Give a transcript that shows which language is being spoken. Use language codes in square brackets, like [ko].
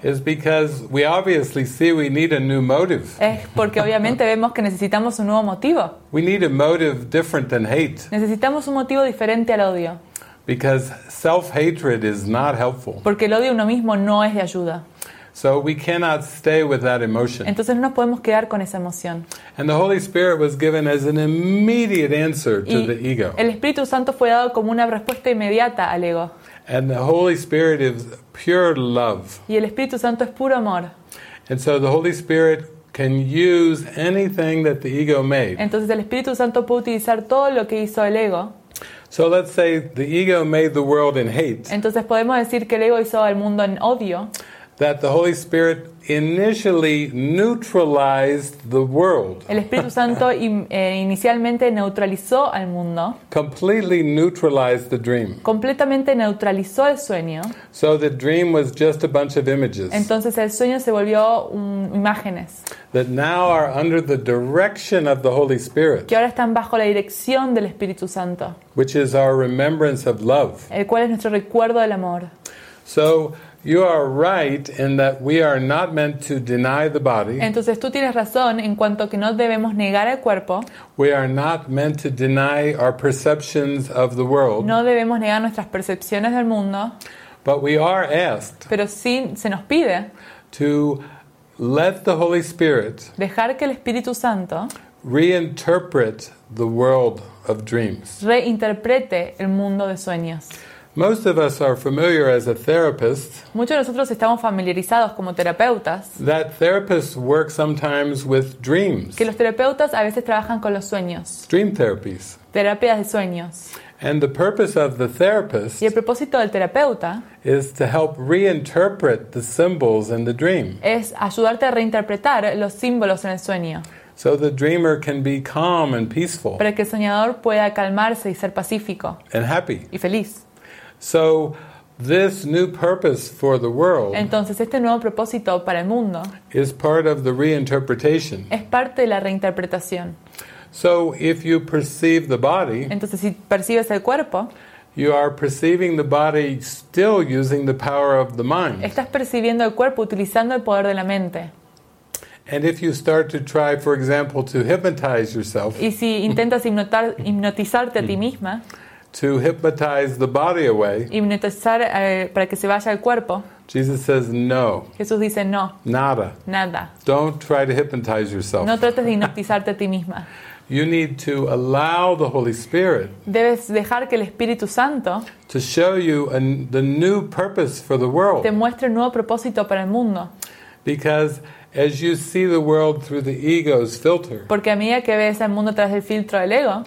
[en] Is because we obviously see we need a new motive. [es] Es porque obviamente vemos que necesitamos un nuevo motivo. [en] We need a motive different than hate. [es] Necesitamos un motivo diferente al odio. [en] Because self-hatred is not helpful. [es] Porque el odio a uno mismo no es de ayuda. [en] So we cannot stay with that emotion. [es] Entonces no podemos quedar con esa emoción. [en] And the Holy Spirit was given as an immediate answer to the ego. [es] El Espíritu Santo fue dado como una respuesta inmediata al ego. [en] And the Holy Spirit is pure love. [es] Y el Espíritu Santo es puro amor. [en] And so the Holy Spirit can use anything that the ego made. [es] Entonces el Espíritu Santo puede utilizar todo lo que hizo el ego. [en] So let's say the ego made the world in hate. [es] Entonces podemos decir que el ego hizo al mundo en odio. [en] That the Holy Spirit initially neutralized the world. [es] El Espíritu Santo inicialmente neutralizó al mundo. [en] Completely neutralized the dream. [es] Completamente neutralizó el sueño. [en] So the dream was just a bunch of images. [es] Entonces el sueño se volvió imágenes. [en] That now are under the direction of the Holy Spirit. [es] Que ahora están bajo la dirección del Espíritu Santo. [en] Which is our remembrance of love. [es] El cual es nuestro recuerdo del amor. [en] So you are right in that we are not meant to deny the body. [es] Entonces tú tienes razón en cuanto que no debemos negar el cuerpo. [en] We are not meant to deny our perceptions of the world. [es] No debemos negar nuestras percepciones del mundo. [en] But we are asked. [es] Pero sí se nos pide. [en] To let the Holy Spirit. [es] Dejar que el Espíritu Santo. [en] Reinterpret the world of dreams. [es] Reinterprete el mundo de sueños. [en] Most of us are familiar as a therapist. [es] Muchos de nosotros estamos familiarizados como terapeutas. [en] That therapists work sometimes with dreams. [es] Que los terapeutas a veces trabajan con los sueños. [en] Dream therapies. [es] Terapias de sueños. [en] And the purpose of the therapist. [es] Y el propósito del terapeuta. [en] Is to help reinterpret the symbols in the dream. [es] Es ayudarte a reinterpretar los símbolos en el sueño. [en] So the dreamer can be calm and peaceful. [es] Para que el soñador pueda calmarse y ser pacífico. [en] And happy. [es] Y feliz. [en] So this new purpose for the world. [es] Entonces este nuevo propósito para el mundo. [en] Is part of the reinterpretation. [es] Es parte de la reinterpretación. [en] So if you perceive the body. [es] Entonces si percibes el cuerpo. [en] You are perceiving the body still using the power of the mind. [es] Estás percibiendo el cuerpo utilizando el poder de la mente. [en] And if you start to try, for example, to hypnotize yourself. [es] Y si intentas hipnotizarte a ti misma. [en] To hipnotize the body away. [es] Hipnotizar para que se vaya el cuerpo. [en] Jesus says no. [es] Jesús dice no. Nada. Nada. [en] Don't try to hypnotize yourself. [es] No trates de hipnotizarte a ti misma. [en] You need to allow the Holy Spirit. [es] Debes dejar que el Espíritu Santo. [en] To show you the new purpose for the world. [es] Te muestre un nuevo propósito para el mundo. [en] Because as you see the world through the ego's filter. [es] Porque a medida que ves al mundo tras el filtro del ego.